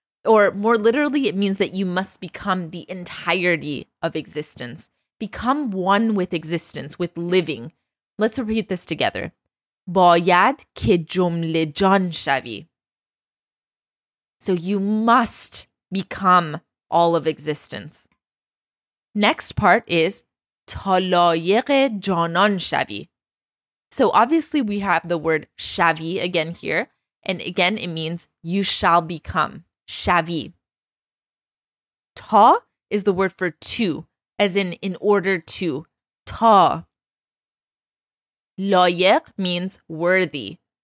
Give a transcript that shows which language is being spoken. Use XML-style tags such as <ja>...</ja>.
<en>Or more literally, it means that you must become the entirety of existence. become one with existence, with living. Let's repeat this together.</en> <fa>باید که جمله جان شوی.</fa> <en>So you must become all of existence. Next part is</en> <fa>تا لایق جانان شوی.</fa> <en>So obviously we have the word شوی again here. And again, it means you shall become.</en> <fa>شوی.</fa> <en>تا is the word for to, as in order to.</en> <fa>تا.</fa> <en>لایق means worthy.</en>